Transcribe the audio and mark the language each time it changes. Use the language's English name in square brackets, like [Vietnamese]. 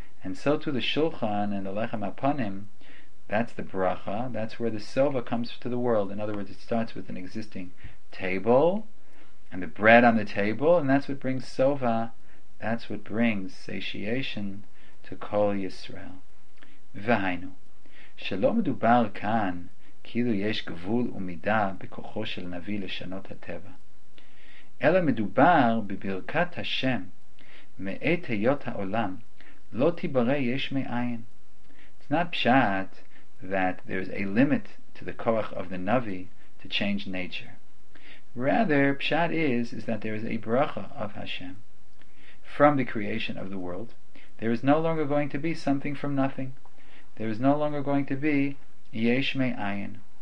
[English] And so to the shulchan and the lechem apanim, that's the bracha, that's where the sova comes to the world. In other words, it starts with an existing table and the bread on the table, and that's what brings sova, that's what brings satiation to call Yisrael. [Hebrew] V'haynu, שלא מדובר כאן כאילו יש גבול ומידה בכוחו של נביא לשנות הטבע, אלא מדובר בברכת השם מעת היות העולם לא תיברא יש מאין. [English] It's not pshat that there is a limit to the koach of the Navi to change nature. Rather, pshat is that there is a bracha of Hashem from the creation of the world. There is no longer going to be something from nothing. There is no longer going to be yesh me'ayin.